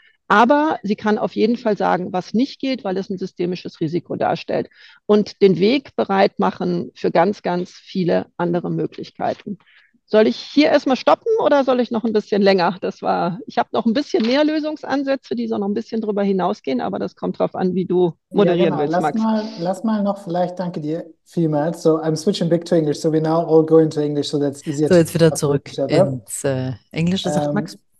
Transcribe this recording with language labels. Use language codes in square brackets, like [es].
[de] Aber sie kann auf jeden Fall sagen, was nicht geht, weil es ein systemisches Risiko darstellt und den Weg bereit machen für ganz, ganz viele andere Möglichkeiten. Soll ich hier erstmal stoppen oder soll ich noch ein bisschen länger? Ich habe noch ein bisschen mehr Lösungsansätze, die so noch ein bisschen drüber hinausgehen, aber das kommt drauf an, wie du moderieren willst, Max. Lass mal noch vielleicht, danke dir vielmals. [en] So, I'm switching back to English, so we now all go into English, so that's easier. [de] So, jetzt wieder zurück ins Englische, sagt Max.